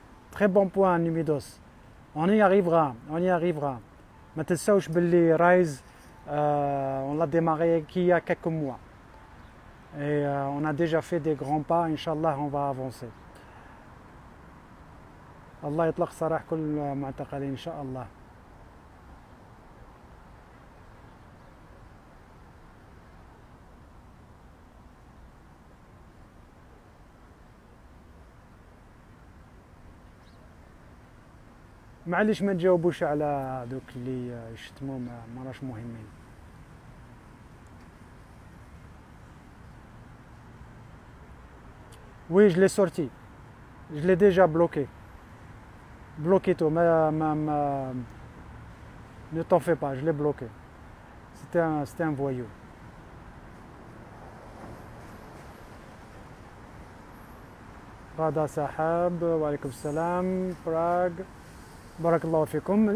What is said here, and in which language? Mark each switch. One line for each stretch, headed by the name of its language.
French: Très bon point, Numidos. On y arrivera, on y arrivera. Mais tu sais, Rice, on l'a démarré qu'il y a quelques mois. Et on a déjà fait des grands pas, Inch'Allah, on va avancer.
Arabic: الله يطلق سراح كل معتقلين إن شاء الله. معليش ما تجاوبوش على دوك اللي يشتموا ما راش مهمين.
French: وي جلي سورتي جلي ديجا بلوكي. Bloqué tout, mais ne t'en fais pas, je l'ai bloqué. C'était un voyou.
Arabic: Rada Sahab, wa alaykum salam, Prague, barakallahu fikum.